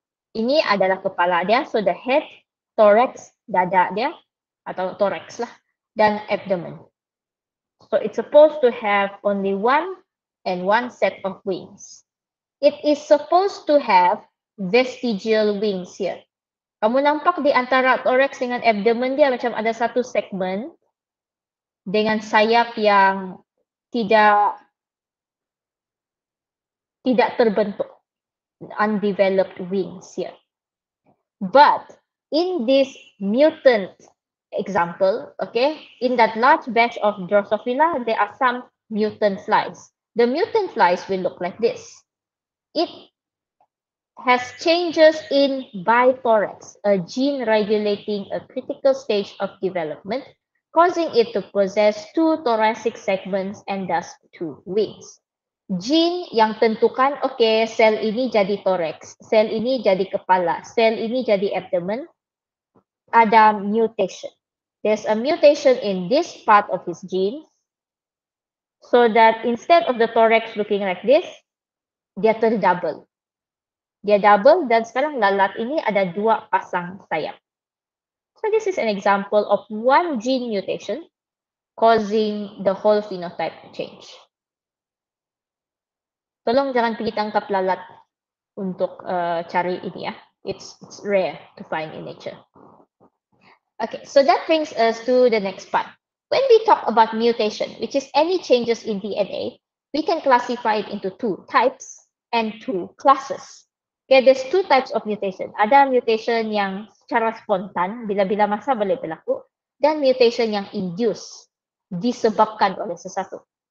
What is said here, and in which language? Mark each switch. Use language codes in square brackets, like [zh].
[ms] Ini adalah kepala dia, [en] so the head, [ms] thorax, dada dia, atau thorax lah, dan abdomen. [en] So it's supposed to have only one and one set of wings. It is supposed to have vestigial wings here. [ms] Kamu nampak di antara thorax dengan abdomen dia macam ada satu segmen dengan sayap yang tidak terbentuk. [en] Undeveloped wings here. But in this mutant example, okay, in that large batch of Drosophila, there are some mutant flies. The mutant flies will look like this. It has changes in bithorax, a gene regulating a critical stage of development, causing it to possess two thoracic segments and thus two wings. [ms] Gene yang tentukan, okay, sel ini jadi thorax, sel ini jadi kepala, sel ini jadi abdomen, ada mutation. [en] There's a mutation in this part of his gene, so that instead of the thorax looking like this, [ms] dia terdouble. Dia double dan sekarang lalat ini ada dua pasang sayap. [en] So this is an example of one gene mutation causing the whole phenotype to change. [ms] Tolong jangan pergi tangkap lalat untuk cari ini ya. [en] It's rare to find in nature. Okay, so that brings us to the next part. When we talk about mutation, which is any changes in DNA, we can classify it into two types and two classes. Okay, there's two types of mutation. [ms] Ada mutation yang secara spontan, bila-bila masa boleh berlaku, dan mutation yang induced, disebabkan oleh sesuatu.